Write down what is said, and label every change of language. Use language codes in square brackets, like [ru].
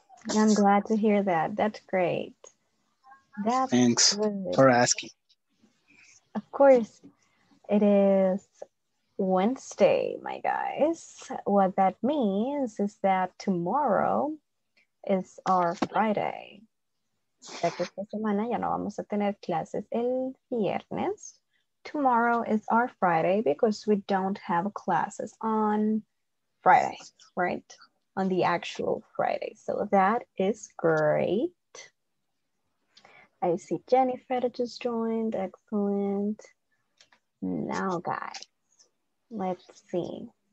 [en] I'm glad to hear that. That's great. Thanks for asking. Of course, it is Wednesday, my guys. What that means is that tomorrow is our Friday. [es] Esta semana ya no vamos a tener clases el viernes. [en] Tomorrow is our Friday because we don't have classes on Friday, right? On the actual Friday. So that is great. I see Jennifer just joined. Excellent. Now, guys, let's see.